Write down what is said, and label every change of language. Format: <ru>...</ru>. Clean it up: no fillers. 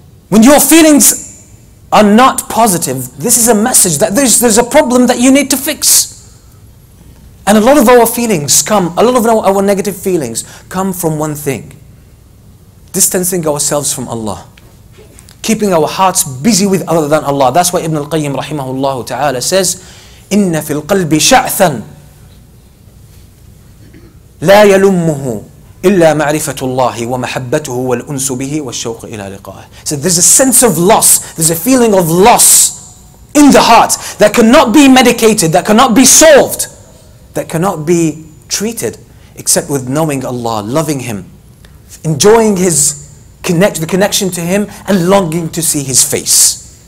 <en>When your feelings are not positive, this is a message that there's a problem that you need to fix. And a lot of our feelings come, a lot of our negative feelings come from one thing: distancing ourselves from Allah, keeping our hearts busy with other than Allah. That's why Ibn al-Qayyim rahimahullah ta'ala says,</en> <ar>إِنَّ فِي الْقَلْبِ شَعْثًا لَا يَلُمُّهُ إِلَّا مَعْرِفَةُ اللَّهِ وَمَحَبَّتُهُ وَالْأُنْسُ بِهِ وَالشَّوْقِ إِلَى لِقَاهِ.</ar> <en>So there's a sense of loss, there's a feeling of loss in the heart that cannot be medicated, that cannot be solved, that cannot be treated except with knowing Allah, loving Him, enjoying His connection to Him, and longing to see His face.</en>